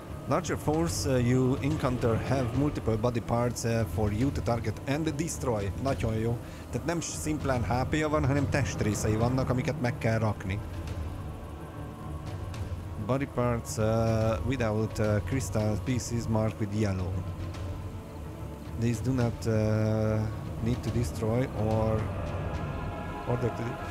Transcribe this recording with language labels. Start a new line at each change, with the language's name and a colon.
English: Larger force you encounter have multiple body parts for you to target and destroy.
Hungarian: Nagyon jó. Tehát nem szimplán HP-ja van, hanem testrészei vannak, amiket meg kell rakni.
English: Body parts without crystal pieces marked with yellow. These do not need to destroy or order to...